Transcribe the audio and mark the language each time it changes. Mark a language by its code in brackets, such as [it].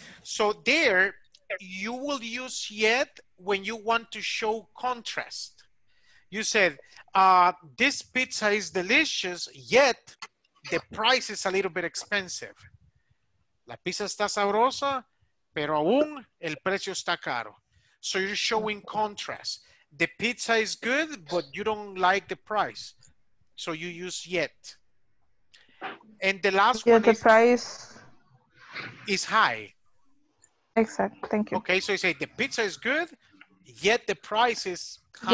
[en] So there, you will use yet when you want to show contrast. You said, this pizza is delicious, yet the price is a little bit expensive. [es] La pizza está sabrosa, pero aún el precio está caro. [en] So you're showing contrast. The pizza is good, but you don't like the price. So you use yet. And the last one is the price is high. Exactly. Thank you. Okay, so you say the pizza is good, yet the price is high.